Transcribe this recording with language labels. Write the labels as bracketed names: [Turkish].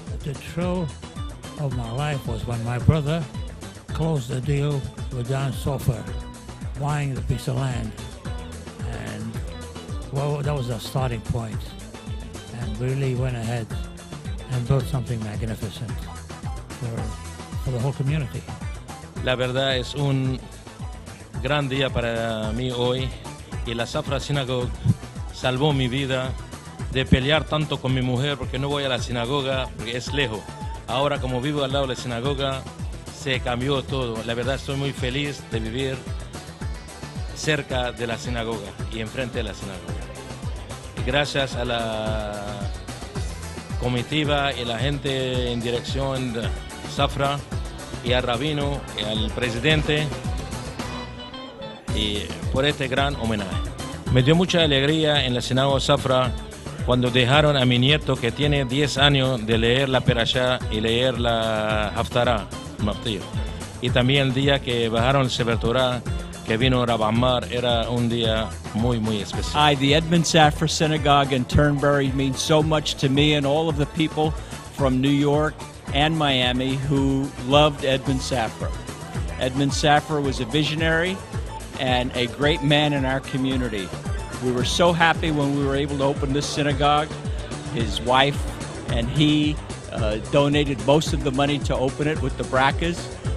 [English] The show of my life was when my brother closed the deal with Don Sofer, buying the piece of land. And, well, that was our starting point. And we really went ahead and built something magnificent for the whole community. [Spanish] La verdad es un gran día para mí hoy. Y la Safra Synagogue salvó mi vida de pelear tanto con mi mujer porque no voy a la sinagoga porque es lejos. Ahora, como vivo al lado de la sinagoga, se cambió todo. La verdad, estoy muy feliz de vivir cerca de la sinagoga y enfrente de la sinagoga. Y gracias a la comitiva y la gente en dirección de Safra y al rabino y al presidente y por este gran homenaje. Me dio mucha alegría en la sinagoga Safra cuando dejaron a mi nieto, que tiene 10 años, de leer la perashá y leer la haftará, y también el día que bajaron el Sefer Torah, que vino Rabbi Amar, era un día muy, muy especial. [English] Hi, the Edmond Safra Synagogue in Turnberry means so much to me and all of the people from New York and Miami who loved Edmond Safra. Edmond Safra was a visionary and a great man in our community. We were so happy when we were able to open this synagogue. His wife and he donated most of the money to open it with the Brakas.